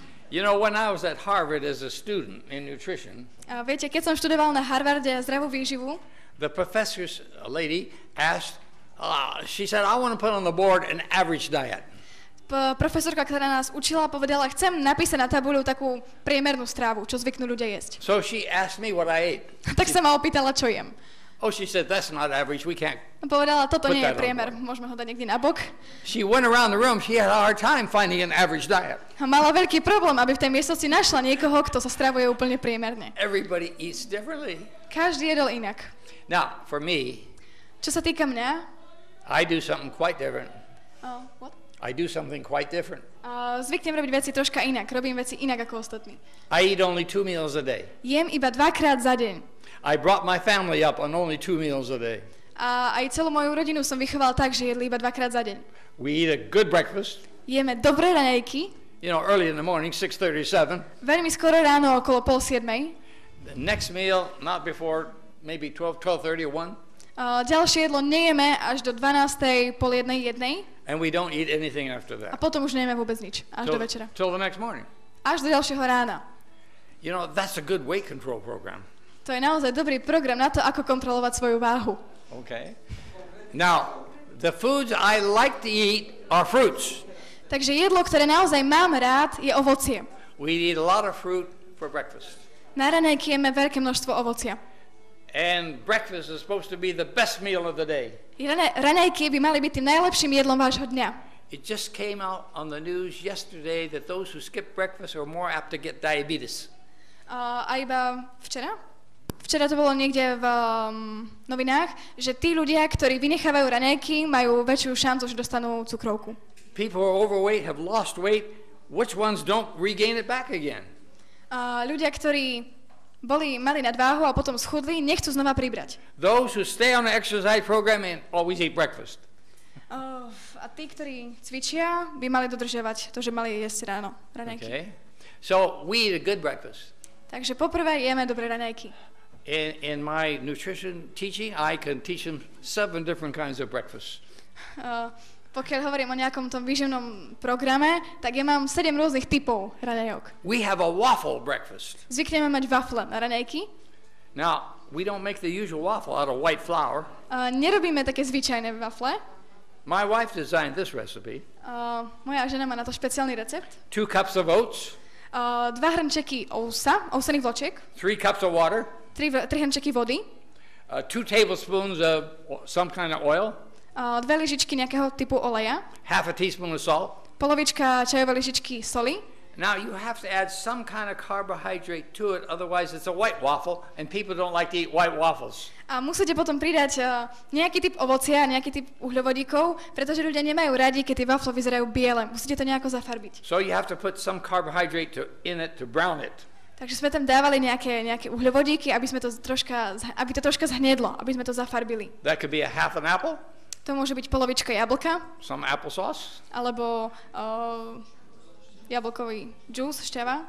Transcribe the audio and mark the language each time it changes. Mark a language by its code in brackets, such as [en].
[en] You know, when I was at Harvard as a student in nutrition, [sk] viete, keď som študoval na Harvarde zdravú výživu, [en] the professor's lady asked, she said, I want to put on the board an average diet. [sk] Profesorka, ktorá nás učila, povedala, chcem napísať na tabuľu takú priemernú strávu, čo zvyknú ľudia jesť. [en] So she asked me what I ate. [sk] Tak sa ma opýtala, čo jem. [en] Oh, she said, that's not average, we can't. [sk] Povedala, toto nie je priemer, môžeme ho dať niekde na bok. [en] She went around the room, she had a hard time finding an average diet. [sk] Mala veľký problém, aby v tej miestnosti našla niekoho, kto sa stravuje úplne priemerne. [en] Everybody eats differently. [sk] Každý jedol inak. [en] Now, for me, [sk] čo sa týka mňa, [en] I do something quite different. What? I do something quite different. [sk] Zvyknem robiť veci troška inak, robím veci inak ako ostatní. [en] I eat only 2 meals a day. [sk] Jem iba dvakrát za deň. [en] I brought my family up on only 2 meals a day. [sk] A aj celú moju rodinu som vychoval tak, že jedli iba dvakrát za deň. [en] We eat a good breakfast. [sk] Jeme dobré raňajky. [en] You know, early in the morning, 6:37. [sk] Veľmi skoro ráno, okolo 6:30. [en] The next meal, not before maybe 12:30 or 1. [sk] Ďalšie jedlo nejeme až do 12:00, 12:30. [en] And we don't eat anything after that. [sk] A potom už nejeme vôbec nič, až do večera. [en] Till the next morning. [sk] Až do ďalšieho rána. [en] You know, that's a good weight control program. [sk] To je naozaj dobrý program na to, ako kontrolovať svoju váhu. [en] Okay. Now, the foods I like to eat are fruits. [sk] Takže jedlo, ktoré naozaj mám rád, je ovocie. [en] We eat a lot of fruit for breakfast. [sk] Na ranejky jeme veľké množstvo ovocia. [en] And breakfast is supposed to be the best meal of the day. [sk] Ranejky by mali byť tým najlepším jedlom vášho dňa. [en] It just came out on the news yesterday that those who skip breakfast are more apt to get diabetes. [sk] A iba včera? Včera to bolo niekde v novinách, že tí ľudia, ktorí vynechávajú raňajky, majú väčšiu šancu, že dostanú cukrovku. [en] People who are overweight have lost weight. Which ones don't regain it back again? [sk] Ľudia, ktorí boli mali nadváhu a potom schudli, nechcú znova pribrať. [en] Those who stay on the exercise program and always eat breakfast. [sk] A tí, ktorí cvičia, by mali dodržiavať to, že mali jesť ráno raňajky. [en] Okay. So we eat a good breakfast. [sk] Takže poprvé jeme dobré raňajky. [en] In my nutrition teaching, I can teach them 7 different kinds of breakfast. [sk] Pokiaľ hovorím o nejakom tom výživnom programe, tak ja mám 7 rôznych typov raňajok. [en] We have a waffle breakfast. [sk] Zvykneme mať wafle na raňajky. [en] Now, we don't make the usual waffle out of white flour. [sk] Nerobíme také zvyčajné wafle. [en] My wife designed this recipe. [sk] Moja žena má na to špeciálny recept. [en] 2 cups of oats. [sk] 2 hrnčeky ovsa, ovsených vločiek. [en] 3 cups of water. [sk] 3 hrnčeky vody. [en] 2 tablespoons of some kind of oil. [sk] 2 lyžičky nejakého typu oleja. [en] Half a teaspoon of salt. [sk] Polovička čajovej lyžičky soli. [en] Now you have to add some kind of carbohydrate to it, otherwise it's a white waffle and people don't like to eat white waffles. [sk] A musíte potom pridať nejaký typ ovocia, nejaký typ uhľovodíkov, pretože ľudia nemajú radi, keď tie wafle vyzerajú biele. Musíte to nejako zafarbiť. [en] So you have to put some carbohydrate in it to brown it. [sk] Takže sme tam dávali nejaké uhľovodíky, aby to troška zhnedlo, aby sme to zafarbili. [en] That could be a half an apple. [sk] To môže byť polovička jablka. [en] Some applesauce. [sk] Alebo jablkový džús, šťava.